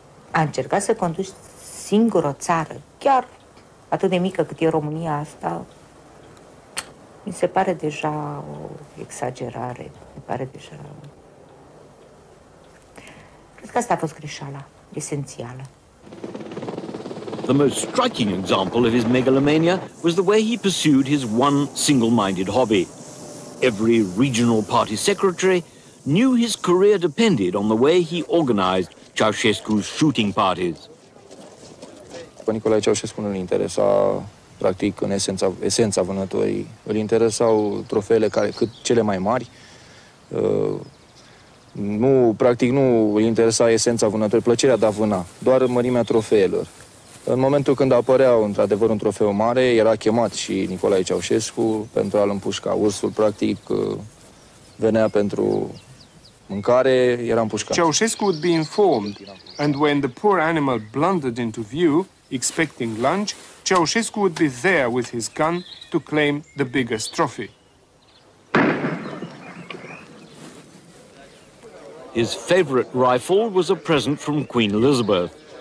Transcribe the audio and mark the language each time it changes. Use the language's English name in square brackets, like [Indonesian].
[Romanian] A încercat să conduci singur o țară, chiar atât de mică cât e România asta, mi se pare deja o exagerare, mi pare deja... Cred că asta a fost greșeala esențială. [English] The most striking example of his megalomania was the way he pursued his one single-minded hobby. Every regional party secretary knew his career depended on the way he organized Ceausescu's shooting parties. [Romanian] Pe Nicolae Ceaușescu nu-l interesa, practic, în esența vânătorii. Îl interesau trofeele care, cât cele mai mari. Nu, practic, nu îl interesa esența vânătorii, plăcerea de a vâna, doar mărimea trofeelor. În momentul când apărea, într-adevăr, un trofeu mare, era chemat și Nicolae Ceaușescu pentru a-l împușca. Ursul, practic, venea pentru mâncare, era împușcat. [English] Ceaușescu would be informed, and when the poor animal blundered into view, expecting lunch, Ceaușescu would be there with his gun to claim the biggest trophy. His favorite rifle was a present from Queen Elizabeth.